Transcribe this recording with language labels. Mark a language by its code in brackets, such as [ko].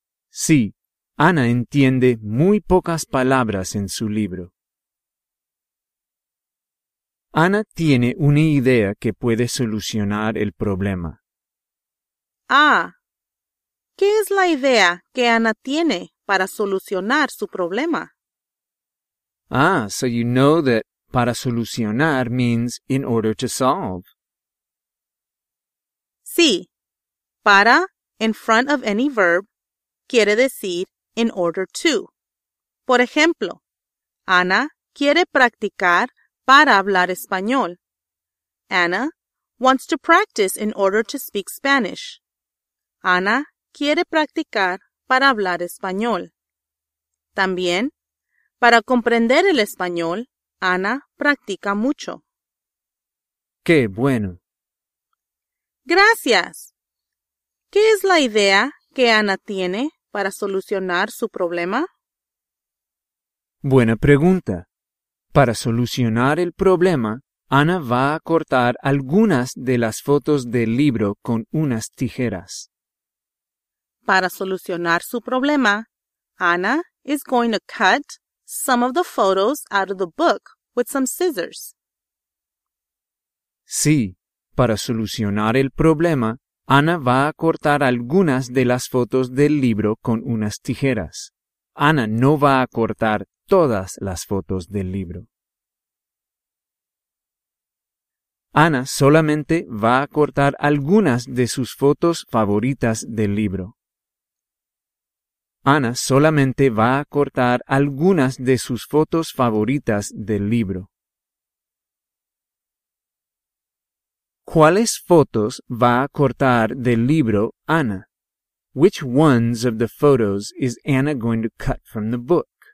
[es] Sí, Ana entiende muy pocas palabras en su libro. Ana tiene una idea que puede solucionar el problema. Ah, ¿qué es la idea que Ana tiene para solucionar su problema? [en] Ah, so you know that [es] para solucionar [en] means in order to solve. Sí, para in front of any verb [es] quiere decir [en] in order to. [es] Por ejemplo, Ana quiere practicar para hablar español. [en] Ana wants to practice in order to speak Spanish. Ana [es] quiere practicar para hablar español. También, para comprender el español, Ana practica mucho. ¡Qué bueno! ¡Gracias! ¿Qué es la idea que Ana tiene para solucionar su problema? Buena pregunta. Para solucionar el problema, Ana va a cortar algunas de las fotos del libro con unas tijeras. Para solucionar su problema, [en] Ana is going to cut some of the photos out of the book with some scissors. [es] Sí, para solucionar el problema, Ana va a cortar algunas de las fotos del libro con unas tijeras. Ana no va a cortar todas las fotos del libro. Ana solamente va a cortar algunas de sus fotos favoritas del libro. Ana solamente va a cortar algunas de sus fotos favoritas del libro. ¿Cuáles fotos va a cortar del libro Ana? [en] Which ones of the photos is Anna going to cut from the book?